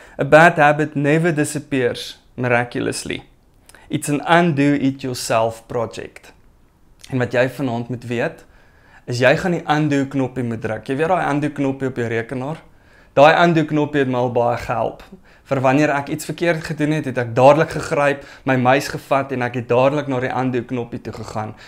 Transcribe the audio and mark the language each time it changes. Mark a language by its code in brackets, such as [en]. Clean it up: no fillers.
[en] A bad habit never disappears miraculously. It's an undo it yourself project. [af] En wat jy vanaand moet weet, is jy gaan die undo knoppie moet druk. Jy weet daai undo knoppie op jou rekenaar? Daai undo knoppie het my al baie gehelp. Vir wanneer ek iets verkeerd gedoen het, het ek dadelik gegryp, my muis gevat en ek het dadelik na die undo knoppie toe gegaan.